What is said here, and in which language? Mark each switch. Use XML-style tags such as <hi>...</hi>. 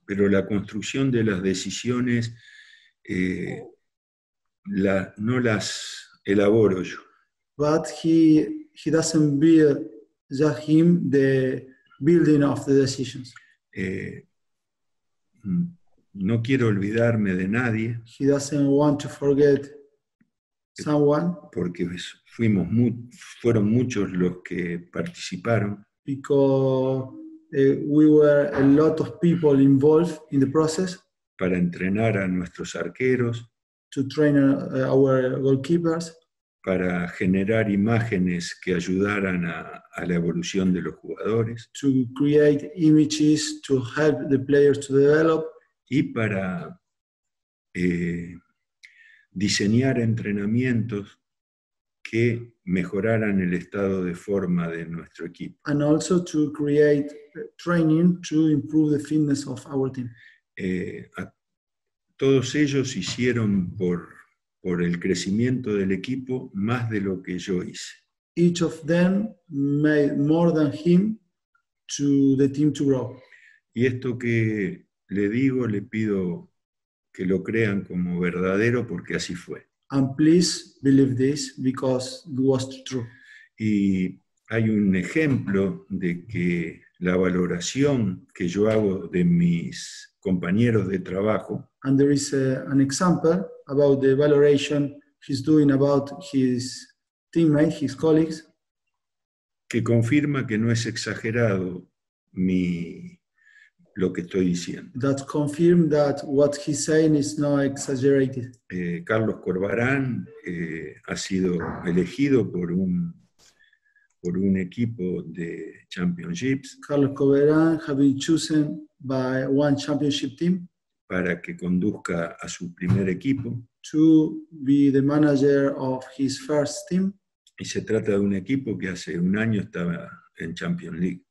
<es>Pero la construcción de las decisiones no las elaboro yo.</es> <en>But he doesn't build just him the building of the decisions.</en> <es>No quiero olvidarme de nadie.</es> <en>He doesn't want to forget someone.</en> <es>Porque fueron muchos los que participaron.</es> <en>Because we were a lot of people involved in the process.</en> <es>Para entrenar a nuestros arqueros.</es> <en>To train our goalkeepers.</en> <es>Para generar imágenes que ayudaran a la evolución de los jugadores.</es> <en>To create images to help the players to develop.</en> <es>Y para diseñar entrenamientos que mejoraran el estado de forma de nuestro equipo.</es> <en>And also to create training to improve the fitness of our team.</en> <es>Todos ellos hicieron por el crecimiento del equipo más de lo que yo hice.</es> <en>Each of them made more than him to the team to grow.</en> <es>Y esto que le digo, le pido que lo crean como verdadero porque así fue.</es> <en>And please believe this because it was true.</en> <es>Y hay un ejemplo de que la valoración que yo hago de mis compañeros de trabajo.</es> <en>And there is an example about the valoration he's doing about his teammates, his colleagues.</en> <es>Que confirma que no es exagerado lo que estoy diciendo.</es> <en>That confirms that what he's saying is not exaggerated.</en> <es>Carlos Corbarán ha sido elegido por un equipo de championships.</es> <en>Carlos Corbarán has been chosen by one championship team.</en> <es>Para que conduzca a su primer equipo.</es> <en>To be the manager of his first team.</en> <es>Y se trata de un equipo que hace un año estaba en Champions League.</es>